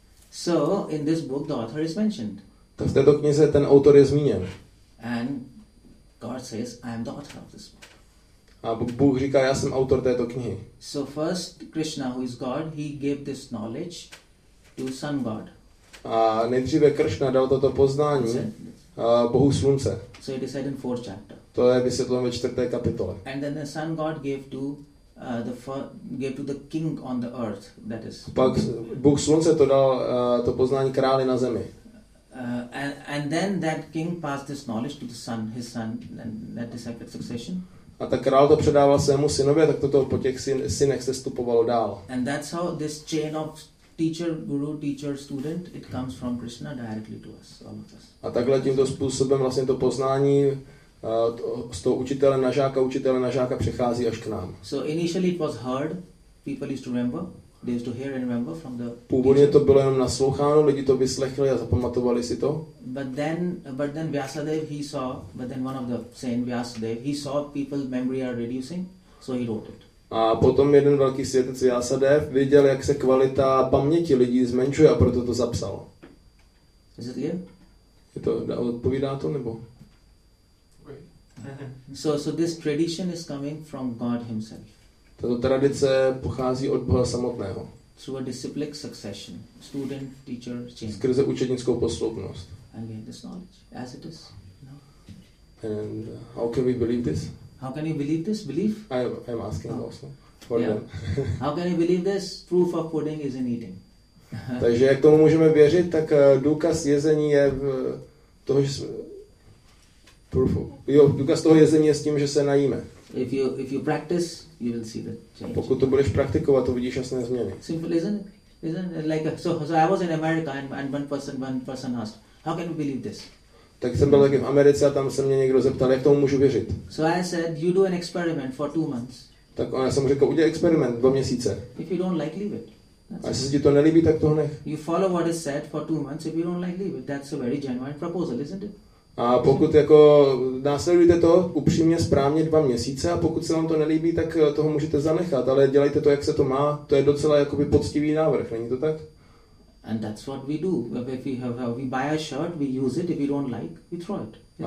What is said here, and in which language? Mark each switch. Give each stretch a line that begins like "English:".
English: So in this book the author is mentioned.
Czech: Tak v této knize ten autor je zmíněn.
English: And God says, I am the author of this book.
Czech: A Bůh říká, já jsem autor této knihy.
English: So first Krishna, who is God, he gave this knowledge to Sun God.
Czech: A nejdříve Kršna dal toto poznání Bohu slunce.
English: So it is in fourth chapter.
Czech: To je vysvětleno ve čtvrté kapitole.
English: And then the sun god gave to gave to the king on the earth, that is.
Czech: Pak Bůh slunce to dal to poznání králi na zemi.
English: And then that king passed this knowledge to the son, his son, and that disciple succession.
Czech: A tak král to předával svému synovi, tak toto po těch synech se stupovalo dál.
English: And that's how this chain of teacher, guru, teacher, student, it comes from Krishna directly to us, all of us.
Czech: A takhle tímto způsobem vlastně to poznání z toho učitele na žáka přechází až k nám.
English: So initially it was heard, people used to remember, they used to hear and remember from the teacher.
Czech: Původně to bylo jenom nasloucháno, lidi to vyslechli a zapamatovali si to.
English: But then Vyasadev, he saw, but then one of the saint Vyasadev, he saw people's memory are reducing, so he wrote it.
Czech: A potom jeden velký světec Vyasadev viděl, jak se kvalita paměti lidí zmenšuje a proto to zapsal.
English: Is it clear?
Czech: Je to, odpovídá to nebo?
English: So this tradition is coming from God himself.
Czech: Tato tradice pochází od Boha samotného.
English: Through a disciplic succession, student, teacher, chain.
Czech: Skrze učednickou posloupnost.
English: And we have this knowledge, as it is.
Czech: No.
English: And how can we believe this? How can you believe this? Belief? I'm asking also for them. How can you believe this? Proof of pudding is in eating.
Czech: Takže jak tomu můžeme věřit, tak důkaz jezení je v toho, že důkaz toho jezení je s tím, že se najíme.
English: If you practice, you will see the change.
Czech: A pokud to budeš praktikovat, to vidíš jasné změny.
English: Simple, isn't it? Like so I was in America and one person asked, how can you believe this?
Czech: Tak jsem byl taky v Americe a tam se mě někdo zeptal, jak tomu můžu věřit.
English: So I said, you do an experiment for 2 months.
Czech: Tak já jsem řekl, udělej experiment 2 měsíce.
English: If you don't like, leave it.
Czech: A jestli se ti to nelíbí, tak toho nech.
English: You follow what is said for 2 months. If you don't like, leave it. That's a very genuine proposal, isn't it?
Czech: A pokud jako následujete to upřímně správně 2 měsíce a pokud se vám to nelíbí, tak toho můžete zanechat, ale dělejte to, jak se to má. To je docela jakoby poctivý návrh, není to tak?
English: And that's what we do. If we buy a shirt, we use it. If we don't like, we throw it.